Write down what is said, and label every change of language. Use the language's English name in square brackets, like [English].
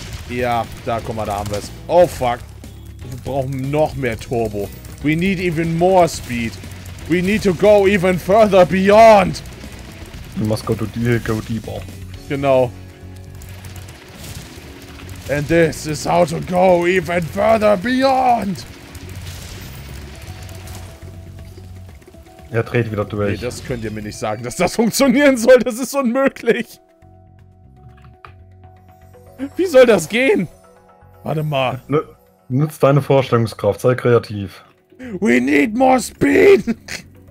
[German] Ja, da, guck mal, da haben wir es. Oh, fuck. Wir brauchen noch mehr Turbo. [English] We need even more speed. We need to go even further beyond. We must go, go deeper. [German] Genau. [English] And this is how to go even further beyond! [German] Er dreht wieder durch. Nee, das könnt ihr mir nicht sagen, dass das funktionieren soll. Das ist unmöglich. Wie soll das gehen? Warte mal. Nutz deine Vorstellungskraft, sei kreativ. [English] We need more speed!